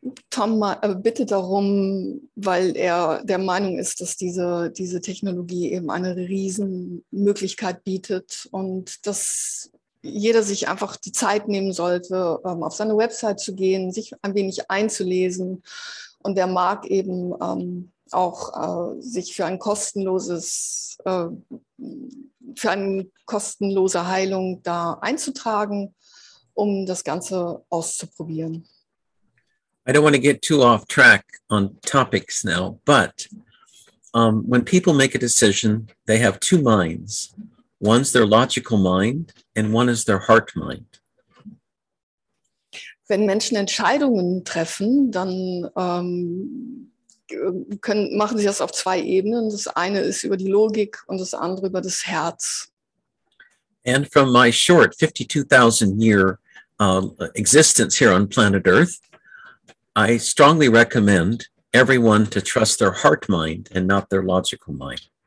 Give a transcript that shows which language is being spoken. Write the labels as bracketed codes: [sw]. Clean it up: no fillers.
[de] Tom bittet darum, weil er der Meinung ist, dass diese Technologie eben eine Riesenmöglichkeit bietet und dass jeder sich einfach die Zeit nehmen sollte, auf seine Website zu gehen, sich ein wenig einzulesen. Und er mag eben auch sich für eine kostenlose Heilung da einzutragen, um das Ganze auszuprobieren. [en] I don't want to get too off track on topics now, but when people make a decision, they have two minds. One's their logical mind and one is their heart mind. [de] Wenn Menschen Entscheidungen treffen, dann machen sie das auf zwei Ebenen. Das eine ist über die Logik und das andere über das Herz. [en] And from my short 52,000 year existence here on planet Earth, I strongly recommend everyone to trust their heart mind and not their logical mind.